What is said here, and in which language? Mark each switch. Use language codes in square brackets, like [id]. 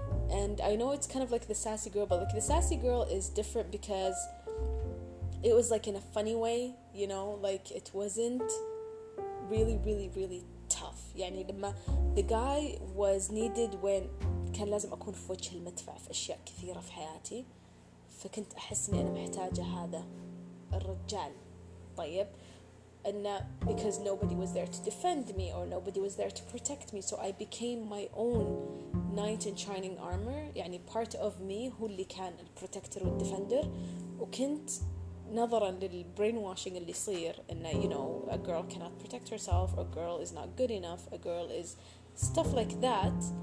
[en] And I know it's kind of like the sassy girl, but like the sassy girl is different because it was like in a funny way, you know, like it wasn't really really really tough. [ar] يعني لما [en] the guy was needed when [ar] كان لازم أكون في وجه المدفع في أشياء كثيرة في حياتي, فكنت أحس إني أنا محتاجة هذا الرجال. طيب [en] And that because nobody was there to defend me or nobody was there to protect me. So I became my own knight in shining armor. [ar] يعني [en] part of me [ar] هو اللي كان protector والdefender. وكنت نظرا للbrainwashing اللي صير إن [en] you know, a girl cannot protect herself, a girl is not good enough, a girl is stuff like that.